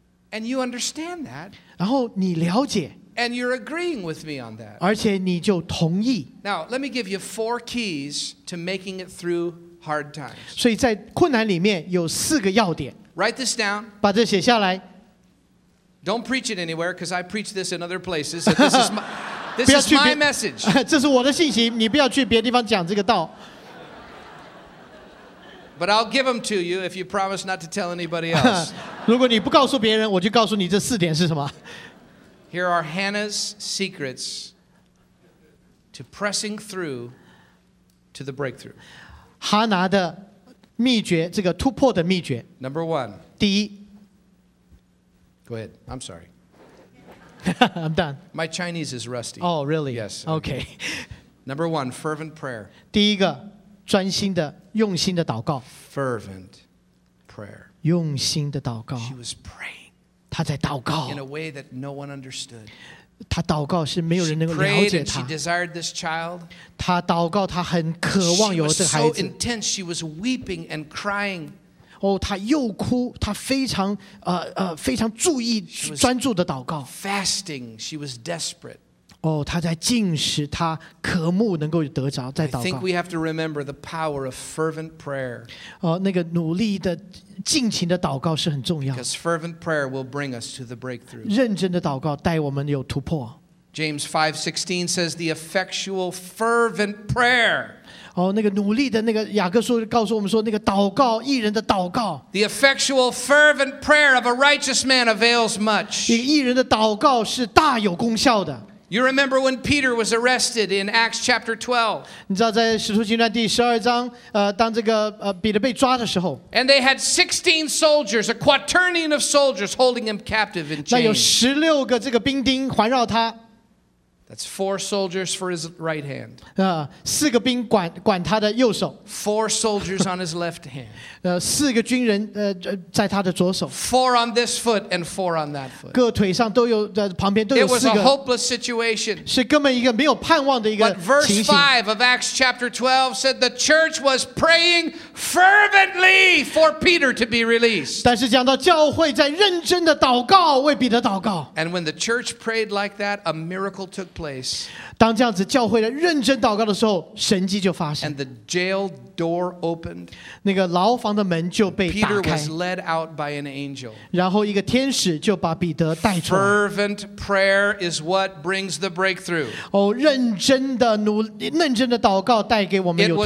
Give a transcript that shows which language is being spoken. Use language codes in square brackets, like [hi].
[en] And you understand that. [zh] 然后你了解。 [en] And you're agreeing with me on that. [zh] 而且你就同意。 [en] Now, let me give you four keys to making it through hard times. [zh] 所以在困难里面有四个要点。 [en] Write this down. [zh] 把这写下来。 [en] Don't preach it anywhere, because I preach this in other places. This is my message. [zh] 这是我的信息，你不要去别的地方讲这个道。 [en] But I'll give them to you if you promise not to tell anybody else. [zh] 如果你不告诉别人，我就告诉你这四点是什么。 [en] Here are Hannah's secrets to pressing through to the breakthrough. [zh] 哈拿的秘诀，这个突破的秘诀。 [en] Number one. [zh] 第一。 [en] Go ahead. I'm sorry. I'm done. My Chinese is rusty. Oh, really? Yes. Okay. Number one, fervent prayer. [zh] 第一个，专心的、用心的祷告。 [en] Fervent prayer. [zh] 用心的祷告。 [en] She was praying. [zh] 她在祷告。 [en] In a way that no one understood. [zh] 她祷告是没有人能够了解她。 [en] She prayed and she desired this child. [zh] 她祷告，她很渴望有这孩子。 [en] She was so intense. She was weeping and crying. [zh] Oh, 他又哭，他非常非常注意专注的祷告。 [en] Fasting, she was desperate. [zh] Oh, 他在禁食，他渴慕能够得着，在祷告。 [en] I think we have to remember the power of fervent prayer. [zh] 那个努力的、尽情的祷告是很重要。 [en] Because fervent prayer will bring us to the breakthrough. [zh] 认真的祷告带我们有突破。 [en] James 5:16 says the effectual fervent prayer. [zh] 那个努力的那个雅各书告诉我们说那个祷告义人的祷告 [en] The effectual fervent prayer of a righteous man avails much [zh] 一个义人的祷告是大有功效的 [en] You remember when Peter was arrested in Acts chapter 12 [zh] 你知道在使徒行传第十二章当这个彼得被抓的时候 [en] And they had 16 soldiers, a quaternion of soldiers holding him captive in chains [zh] 那有16个这个兵丁环绕他 [en] That's four soldiers for his right hand. [zh] 四个兵管他的右手。 [en] Four soldiers on his left hand. [zh] 四个军人在他的左手。 [en] Four on this foot and four on that foot. [zh] 各腿上都有旁边都有四个。 [en] It was a hopeless situation. [zh] 是根本一个没有盼望的一个情形。 [en] But verse 5 of Acts chapter 12 said the church was praying fervently for Peter to be released. [zh] 但是讲到教会在认真的祷告为彼得祷告。 [en] And when the church prayed like that, a miracle took place. [zh] 当这样子教会的认真祷告的时候，神迹就发生。 [en] And the jail door opened. [zh] 那个牢房的门就被打开。 [en] Peter was led out by an angel. [zh] 然后一个天使就把彼得带出来。 [en] Fervent prayer is what brings the breakthrough. [zh] 哦，认真的努力，认真的祷告带给我们有突破。